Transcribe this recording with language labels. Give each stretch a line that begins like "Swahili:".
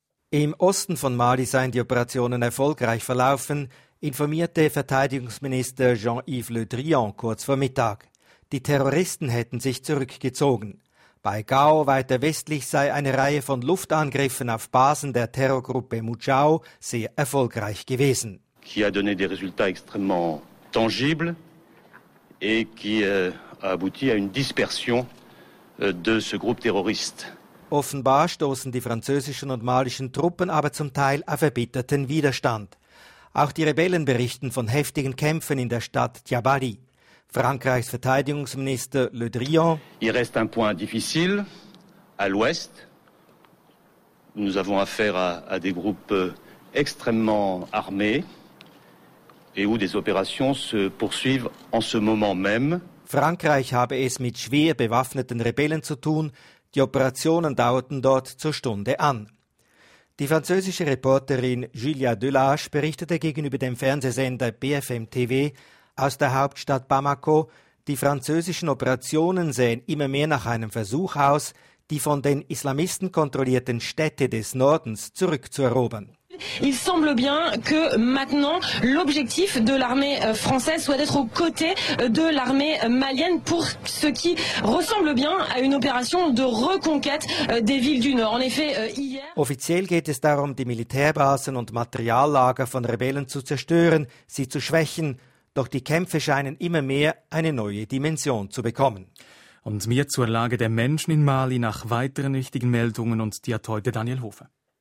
German: Im Osten von Mali seien die Operationen erfolgreich verlaufen, informierte Verteidigungsminister Jean-Yves Le Drian kurz vor Mittag. Die Terroristen hätten sich zurückgezogen. Bei Gao weiter westlich sei eine Reihe von Luftangriffen auf Basen der Terrorgruppe Mujao sehr erfolgreich gewesen.
French: Qui a donné des résultats extrêmement tangibles et qui a abouti à une dispersion de ce groupe terroriste.
German: Offenbar stoßen die französischen und malischen Truppen aber zum Teil auf erbitterten Widerstand. Auch die Rebellen berichten von heftigen Kämpfen in der Stadt Diabali. Frankreichs Verteidigungsminister Le Drian.
French: Il reste un point difficile à l'ouest. Nous avons affaire à des groupes extrêmement armés et où des opérations se poursuivent en ce moment même.
German: Frankreich habe es mit schwer bewaffneten Rebellen zu tun. Die Operationen dauerten dort zur Stunde an. Die französische Reporterin Julia Delage berichtete gegenüber dem Fernsehsender BFM TV, aus der Hauptstadt Bamako, die französischen Operationen sehen immer mehr nach einem Versuch aus, die von den Islamisten kontrollierten Städte des Nordens zurückzuerobern.
French: Il semble bien que maintenant l'objectif de l'armée française soit d'être aux côtés de l'armée malienne pour ce qui ressemble bien à une opération de reconquête des villes du Nord. En effet, hier.
German: Offiziell geht es darum, die Militärbasen und Materiallager von Rebellen zu zerstören, sie zu schwächen. Doch die Kämpfe scheinen immer mehr eine neue Dimension zu bekommen. Und mehr zur Lage der Menschen in Mali nach weiteren wichtigen Meldungen und die hat heute Daniel Hofer.